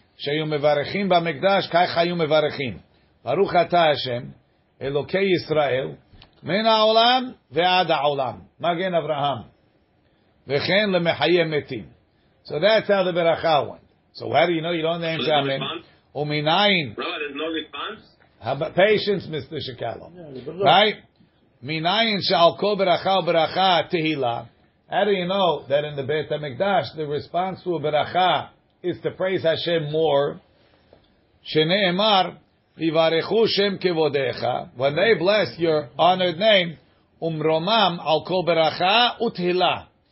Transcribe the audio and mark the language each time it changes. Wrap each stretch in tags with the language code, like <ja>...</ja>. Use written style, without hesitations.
<he>שהיו מברכים במקדש, כך היו מברכים. ברוך אתה השם, אלוקי ישראל, מן העולם ועד העולם. מגן אברהם. וכן למחיי מתים.</he> <en>So that's how the beracha went. So how do you know you don't answer amen?</en> <he>ומניין?</he> <en>there's no response? Patience, Mr. Shekalo. Right?</en> <he>מניין שעל כל ברכה וברכה תהילה.</he> <en>How do you know that in the בית המקדש, the response to a ברכה is to praise Hashem more.</en> <he>Shene'emar, Vivarechu Shem Kevodecha,</he> <en>when they bless your honored name,</en> <he>Umromam al kol beracha utehila.</he>